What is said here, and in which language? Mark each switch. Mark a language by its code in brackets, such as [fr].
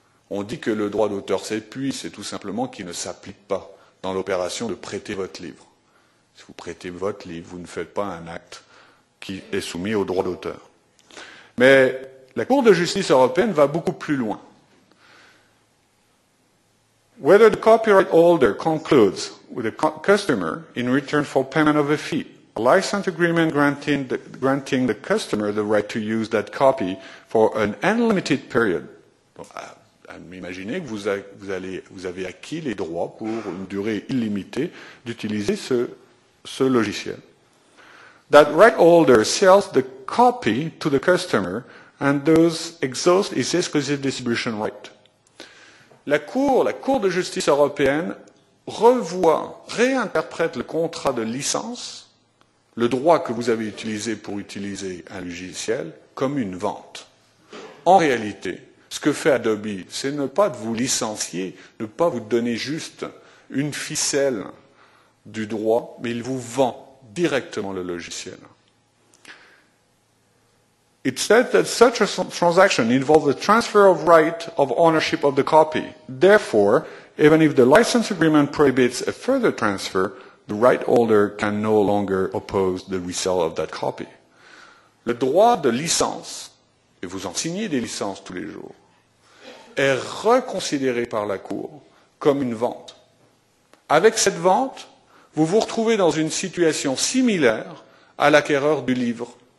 [fr] On dit que le droit d'auteur s'épuise, c'est tout simplement qu'il ne s'applique pas dans l'opération de prêter votre livre. Si vous prêtez votre livre, vous ne faites pas un acte qui est soumis au droit d'auteur. Mais la Cour de justice européenne va beaucoup plus loin. [en] Whether the copyright holder concludes with a customer in return for payment of a fee, a license agreement granting the customer the right to use that copy for an unlimited period. [fr] Imaginez que vous avez acquis les droits pour une durée illimitée d'utiliser ce logiciel. [en] That right holder sells the copy to the customer and thus exhausts his exclusive distribution right. [fr] La Cour de justice européenne revoit, réinterprète le contrat de licence, le droit que vous avez utilisé pour utiliser un logiciel, comme une vente. En réalité, ce que fait Adobe, c'est ne pas vous licencier, ne pas vous donner juste une ficelle du droit, mais il vous vend directement le logiciel. [en] It said that such a transaction involves the transfer of right of ownership of the copy. Therefore, even if the license agreement prohibits a further transfer, the right holder can no longer oppose the resale of that copy. [fr] Le droit de licence, et vous en signez des licences tous les jours, est reconsidéré par la Cour comme une vente. Avec cette vente, vous vous retrouvez dans une situation similaire à l'acquéreur du livre.